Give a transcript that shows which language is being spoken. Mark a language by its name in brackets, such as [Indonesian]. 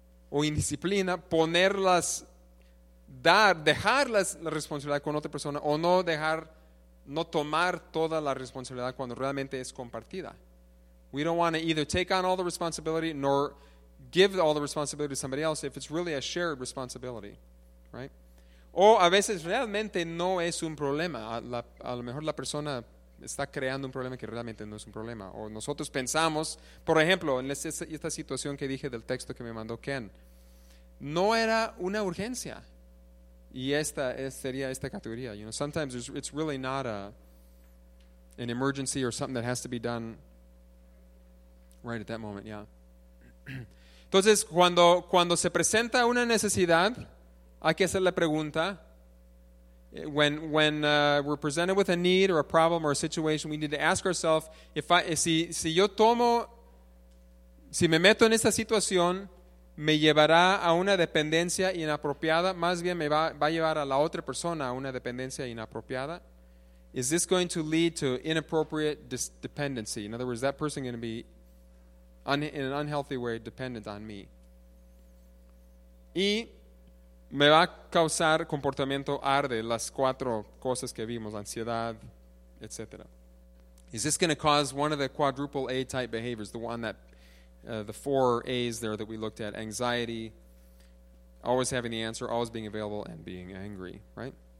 [Spanish] o indisciplina, ponerlas, dar, dejar la responsabilidad con otra persona o no dejar, no tomar toda la responsabilidad cuando realmente es compartida. [English] We don't want to either take on all the responsibility nor give all the responsibility to somebody else if it's really a shared responsibility, right? [Spanish] O a veces realmente no es un problema. A lo mejor la persona está creando un problema que realmente no es un problema. O nosotros pensamos, por ejemplo, en esta situación que dije del texto que me mandó Ken, no era una urgencia. Y esta sería esta categoría. [English] You know, sometimes it's really not an emergency or something that has to be done right at that moment, yeah. [Spanish] Entonces, cuando se presenta una necesidad, hay que hacer la pregunta. [English] When we're presented with a need or a problem or a situation, we need to ask ourselves, [Spanish] si me meto en esta situación, me llevará a una dependencia inapropiada, más bien me va a llevar a la otra persona a una dependencia inapropiada. [English] Is this going to lead to inappropriate dependency? In other words, is that person going to be in an unhealthy way dependent on me? [Spanish] Y me va a causar comportamiento arde, las cuatro cosas que vimos, ansiedad, etc. [English] Is this going to cause one of the quadruple A type behaviors, the one that the four A's there that we looked at, anxiety, always having the answer, always being available, and being angry, right?